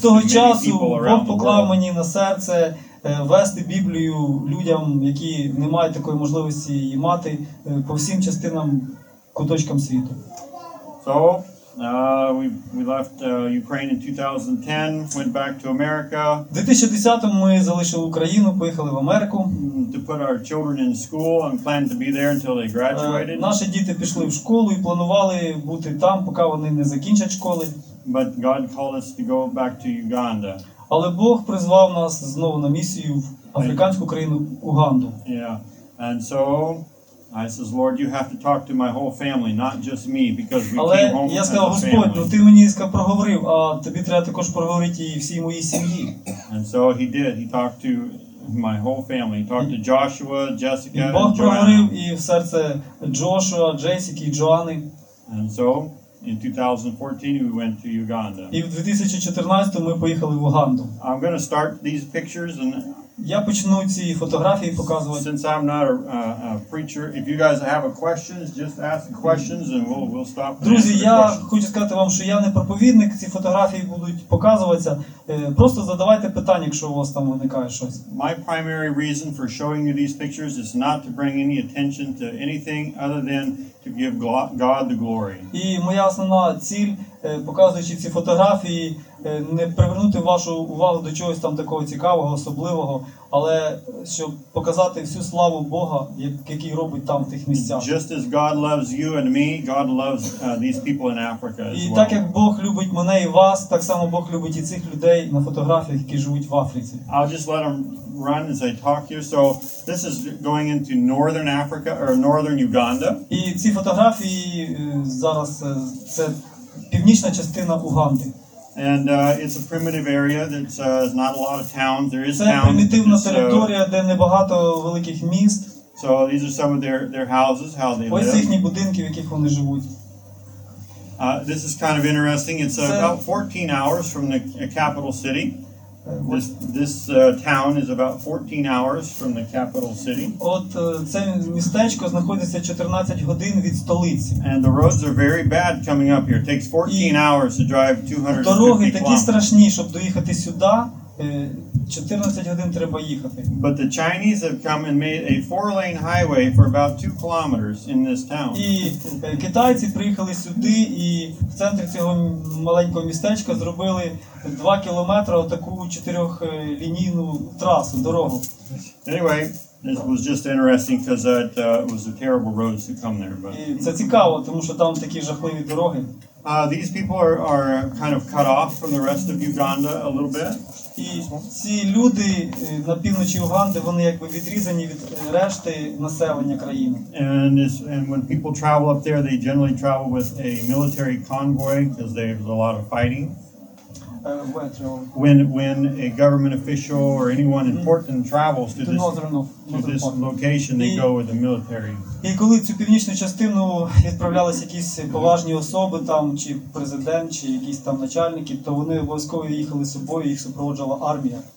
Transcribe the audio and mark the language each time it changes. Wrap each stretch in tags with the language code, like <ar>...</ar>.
<en>to many people around the world.</en> <uk>З того часу Бог поклав мені на серце вести Біблію людям, які не мають такої можливості її мати, по всім частинам, куточкам світу.</uk> <en>So, we left Ukraine in 2010, went back to America.</en> <uk>В 2010-му ми залишили Україну, поїхали в Америку.</uk> <en>To put our children in school and plan to be there until they graduated.</en> <uk>Наші діти пішли в школу і планували бути там, поки вони не закінчать школи.</uk> <en>But God called us to go back to Uganda.</en> <uk>Але Бог призвав нас знову на місію в африканську країну Уганду.</uk> <en>Yeah. And so I says, Lord, you have to talk to my whole family, not just me, because we</en> <uk>Але</uk> <en>came home with family.</en> <uk>Але я сказав, Господь, ну ти мені сказав, проговорив, а тобі треба також проговорити і всій моїй сім'ї.</uk> <en>And so he did. He talked to my whole family. He talked to Joshua, Jessica, and</en> <uk>Бог проговорив і в серце Джошуа, Джесіки, Джоани.</uk> <en>And so in 2014 we went to Uganda.</en> <uk>І в 2014 ми поїхали в Уганду.</uk> <en>I'm going to start these pictures and</en> <uk>я почну ці фотографії показувати.</uk> <en>Since I'm not a preacher, if you guys have a questions, just ask the questions and we'll stop.</en> <uk>Друзі, я хочу сказати вам, що я не проповідник, ці фотографії будуть показуватися. Просто задавайте питання, якщо у вас там виникає щось.</uk> <en>My primary reason for showing you these pictures is not to bring any attention to anything other than to give God the glory.</en> <uk>І моя основна ціль, показуючи ці фотографії, не привернути вашу увагу до чогось там такого цікавого, особливого, але щоб показати всю славу Бога, який робить там в тих місцях.</uk> <en>Just as God loves you and me, God loves these people in Africa as well.</en> <uk>І так як Бог любить мене і вас, так само Бог любить і цих людей на фотографіях, які живуть в Африці.</uk> <en>I'll just let them run as I talk here. So this is going into northern Africa or northern Uganda.</en> <uk>І ці фотографії зараз це північна частина Уганди.</uk> <en>And it's a primitive area that has not a lot of towns. There is town.</en> <uk>Примітивна територія, де небагато великих міст.</uk> <en>So these are some of their houses, how they live.</en> <uk>Ось їхні будинки, в яких вони живуть.</uk> <en>This is kind of interesting. It's about 14 hours from the capital city. This town is about 14 hours from the capital city.</en> <uk>От це містечко знаходиться 14 годин від столиці.</uk> <en>And the roads are very bad coming up here. It takes 14 hours to drive 250</en> <uk>Дороги такі страшні, щоб доїхати сюди, 14 годин треба їхати.</uk> <en>But the Chinese have come and made a four-lane highway for about 2 kilometers in this town.</en> <uk>І китайці приїхали сюди і в центрі цього маленького містечка зробили 2 кілометри таку чотирьохлінійну трасу, дорогу.</uk> <en>Anyway, this was just interesting because it was a terrible road to come there, but</en> <uk>це цікаво, тому що там такі жахливі дороги.</uk> <en>These people are kind of cut off from the rest of Uganda a little bit.</en> <uk>І ці люди на півночі Уганди, вони якби відрізані від решти населення країни.</uk> <en>And when people travel up there, they generally travel with a military convoy because there's a lot of fighting. When a government official or anyone important travels to this location, they go with the military.</en> <uk>І коли цю північну частину відправлялись якісь поважні особи там, чи президент, чи якісь там начальники, то вони обов'язково їхали з собою, їх супроводжувала армія.</uk>